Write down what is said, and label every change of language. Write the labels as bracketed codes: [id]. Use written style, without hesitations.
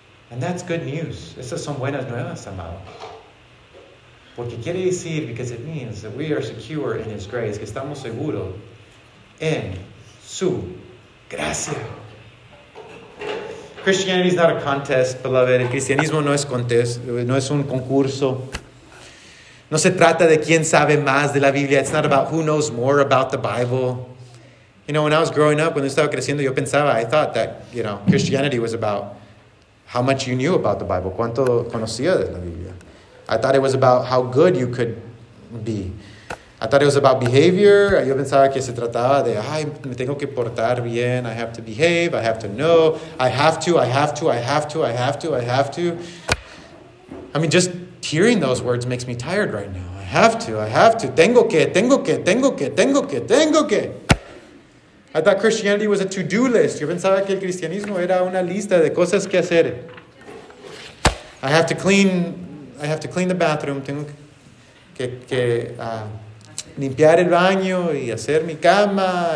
[en] And that's good news. [es] Esas son buenas nuevas, amado. Porque quiere decir, [en] because it means that we are secure in his grace, [es] que estamos seguros en su gracia. [en] Christianity is not a contest, beloved. [es] El cristianismo no es contest, no es un concurso. No se trata de quién sabe más de la Biblia. [en] It's not about who knows more about the Bible. You know, when I was growing up, [es] cuando estaba creciendo, yo pensaba, [en] I thought that, you know, Christianity was about how much you knew about the Bible. [es] ¿Cuánto conocía de la Biblia? [en] I thought it was about how good you could be. I thought it was about behavior. [es] Yo pensaba que se trataba de, ay, me tengo que portar bien. [en] I have to behave. I have to know. I have to. I have to. I have to. I have to. I have to. I mean, just... hearing those words makes me tired right now. I have to, I have to. [es] Tengo que, tengo que, tengo que, tengo que, tengo que. [en] I thought Christianity was a to-do list. [es] Yo pensaba que el cristianismo era una lista de cosas que hacer. [en] I have to clean the bathroom. [es] Tengo que limpiar el baño y hacer mi cama.